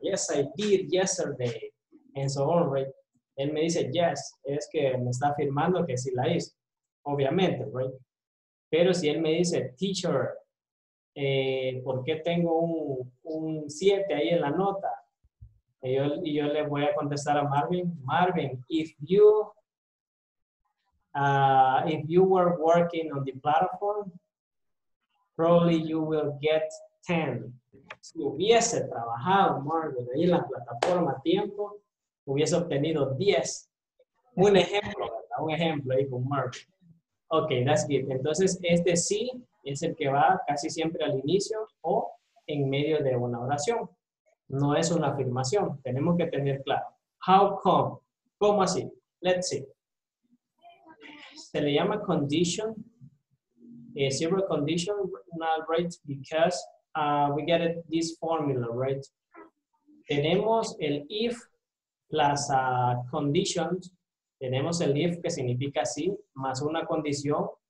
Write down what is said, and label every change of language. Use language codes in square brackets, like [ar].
[en] Yes, I did yesterday. And so on, right? [es] Él me dice [en] yes. [es] Es que me está afirmando que sí la hizo. Obviamente, right? Pero si él me dice, teacher, ¿por qué tengo un 7 ahí en la nota? Y yo le voy a contestar a Marvin. [en] Marvin, if you were working on the platform, probably you will get 10. [es] Si hubiese trabajado, Marvin, ahí en la plataforma a tiempo, hubiese obtenido 10. Un ejemplo, ¿verdad? Un ejemplo ahí con Marvin. [en] Ok, that's good. [es] Entonces, este sí es el que va casi siempre al inicio o en medio de una oración. No es una afirmación. Tenemos que tener claro. [en] How come? [es] ¿Cómo así? [en] Let's see. [es] Se le llama condition. [en] Zero condition, not right, because we get it, this formula, right? [es] Tenemos el if plus conditions. Tenemos el if, que significa sí, más una condición.